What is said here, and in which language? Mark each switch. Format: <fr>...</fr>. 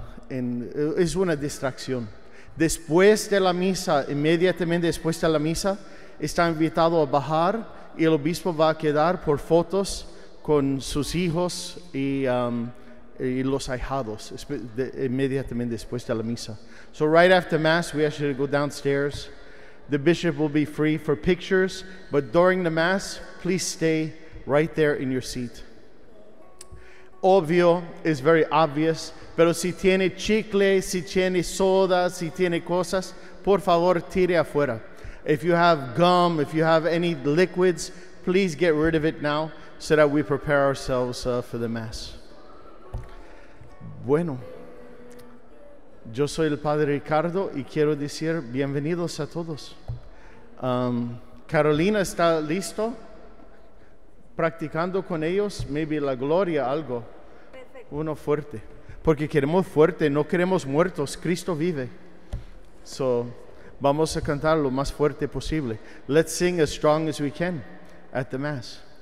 <es>Es una distracción. Después de la misa, inmediatamente después de la misa, está invitado a bajar y el obispo va a quedar por fotos con sus hijos y los ahijados inmediatamente después de la misa.</es> <en>So right after Mass, we actually go downstairs. The bishop will be free for pictures, but during the Mass, please stay right there in your seat.</en> <es>Obvio,</es> <en>it's very obvious,</en> <es>pero si tiene chicle, si tiene soda, si tiene cosas, por favor, tire afuera.</es> <en>If you have gum, if you have any liquids, please get rid of it now so that we prepare ourselves for the Mass.</en> <es>Bueno, yo soy el padre Ricardo y quiero decir bienvenidos a todos. Carolina está listo, practicando con ellos, maybe la gloria, algo. Perfecto. Uno fuerte, porque queremos fuerte, no queremos muertos, Cristo vive. So, vamos a cantar lo más fuerte posible.</es> <en>Let's sing as strong as we can at the Mass.</en>